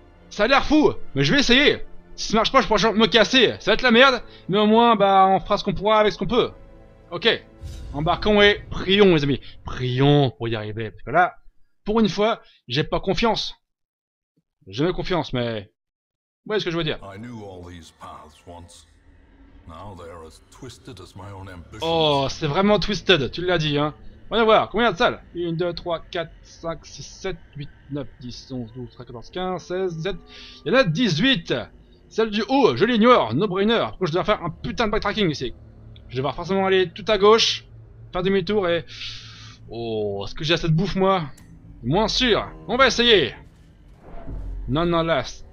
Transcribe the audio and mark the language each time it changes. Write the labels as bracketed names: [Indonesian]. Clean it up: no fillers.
[French] Ça a l'air fou, mais je vais essayer. Si ça marche pas, je pourrais me casser. Ça va être la merde, mais au moins, bah, on fera ce qu'on pourra avec ce qu'on peut. Ok. Embarquons et prions, mes amis. Prions pour y arriver. Parce que là, pour une fois, j'ai pas confiance. J'ai jamais confiance, mais. Vous voyez ce que je veux dire? [English] I knew all these paths once. Now they are as twisted as my own ambitions. [French] Oh, c'est vraiment twisted, tu l'as dit, hein. Voyons voir, combien y a de salles? 1, 2, 3, 4, 5, 6, 7, 8, 9, 10, 11, 12, 13, 14, 15, 16, 17. Il y en a 18! Celle du haut, je l'ignore, [English] no brainer. [French] Pourquoi je dois faire un putain de backtracking ici? Je vais forcément aller tout à gauche, faire demi-tour et. Oh, est-ce que j'ai assez de bouffe moi? Moins sûr! On va essayer! Non, non, là.